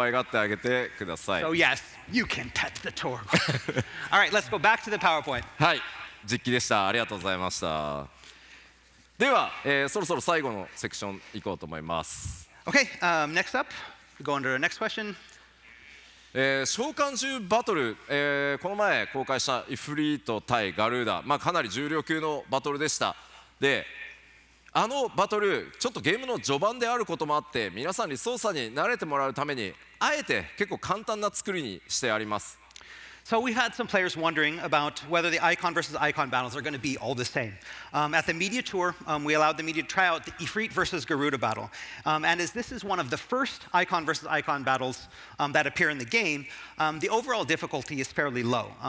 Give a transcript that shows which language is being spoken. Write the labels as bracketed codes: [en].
[ja] というわけでですね、トルガールもぜひたくさん可愛がってあげてください。 [en] So yes, you can pet the Torgal. All right, let's go back to the PowerPoint. [ja] はい、実機でした。ありがとうございました。では、そろそろ最後のセクション行こうと思います。 [en] Okay, next up, we go on to the next question. [ja] 召喚獣バトル、この前公開したイフリート対ガルーダ、かなり重量級のバトルでした。で、あのバトル、ちょっとゲームの序盤であることもあって、皆さんに操作に慣れてもらうために、あえて結構簡単な作りにしてあります。 [en] So we had some players wondering about whether the icon versus icon battles are going to be all the same. At the media tour, we allowed the media to try out the Ifrit versus Garuda battle. And as this is one of the first icon versus icon battles that appear in the game, the overall difficulty is fairly low.